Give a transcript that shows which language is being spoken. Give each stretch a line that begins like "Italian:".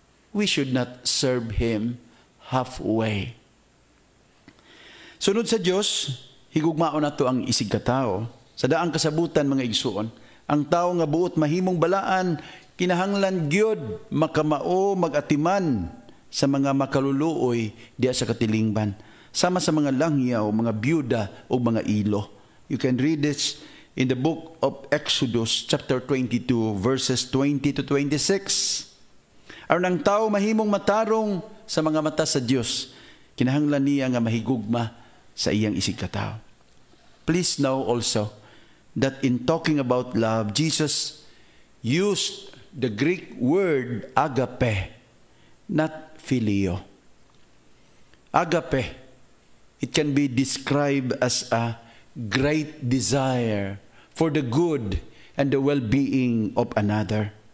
English: We should not serve Him halfway."
Cebuano: Sunod sa Diyos, higugmaon nato ang isig ka tao. Sa daang kasabutan, mga igsuon, ang tao nga buot mahimong balaan, Kinahanglan gyud makamao magatiman sa mga makaluluoy diya sa katilingban, sama sa mga langyaw, mga byuda o mga ilo.
English: You can read this in the book of Exodus chapter 22 verses 20 to 26.
Cebuano: Aron ang tao mahimong matarong sa mga mata sa Dios, kinahanglan niya nga mahigugma sa iyang isig katawo.
English: Please know also that in talking about love, Jesus used the Greek word agape, not filio. Agape, it can be described as a great desire for the good and the well-being of another.